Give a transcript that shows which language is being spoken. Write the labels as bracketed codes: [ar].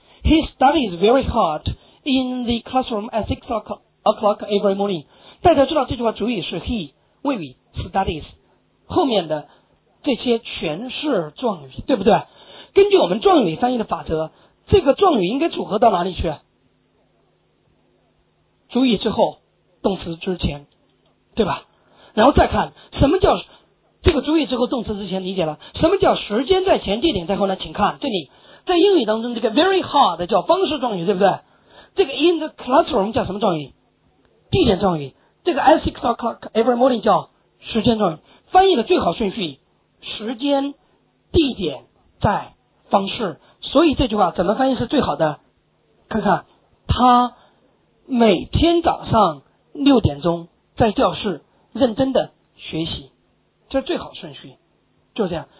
[en] He studies very hard in the classroom at 6 o'clock every morning. [zh] 大家知道这句话主语是 he, 谓语 studies, 后面的这些全是状语，对不对？根据我们状语翻译的法则，这个状语应该组合到哪里去？主语之后动词之前，对吧？然后再看什么叫这个主语之后动词之前，理解了什么叫时间在前地点在后呢？请看这里，在英语当中这个 [en] very hard [zh] 叫方式状语，对不对？这个 [en] in the classroom [zh] 叫什么状语？地点状语。这个 [en] at 6 o'clock every morning [zh] 叫时间状语。翻译的最好顺序时间地点在方式，所以这句话怎么翻译是最好的？看看他每天早上六点钟在教室认真的学习，这是最好顺序，就这样。